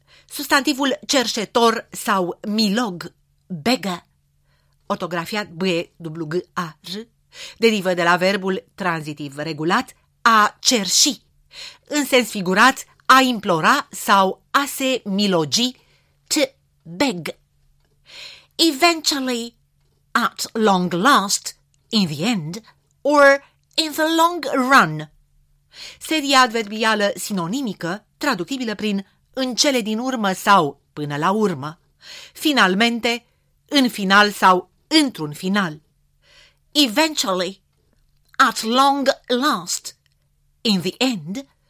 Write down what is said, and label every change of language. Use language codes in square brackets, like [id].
[ro] substantivul cerșetor sau milog. [en] Beggar, [ro] ortografiat B-W-G-A-R, derivă de la verbul tranzitiv regulat a cerși, în sens figurat a implora sau a se milogi. [en] To beg. Eventually, at long last, in the end, or in the long run. [ro] Seria adverbială sinonimică, traductibilă prin în cele din urmă sau până la urmă, finalmente, în final sau într-un final. [en] Eventually, at long last, in the end,